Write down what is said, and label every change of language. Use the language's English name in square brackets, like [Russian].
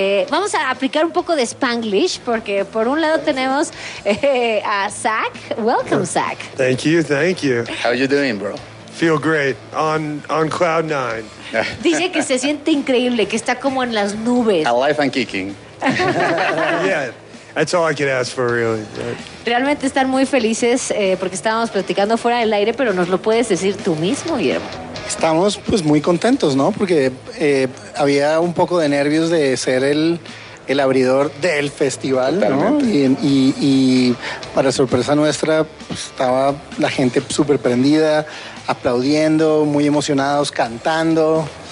[Spanish] Vamos a aplicar un poco de Spanglish, porque por un lado tenemos a Zach. [English] Welcome, Zach. Thank you. How are you doing, bro? Feel great. On cloud nine. [Spanish] Dice que se siente increíble, que está como en las nubes. [English] Alive and kicking. Yeah, that's all I could ask for, really. [Spanish] Realmente están muy felices porque estábamos platicando fuera del aire, pero nos lo puedes decir tú mismo, Guillermo. Estamos pues muy contentos, ¿no? Porque había un poco de nervios de ser el abridor del festival, totalmente, ¿no? Y para sorpresa nuestra, pues, estaba la gente súper prendida, aplaudiendo, muy emocionados, cantando.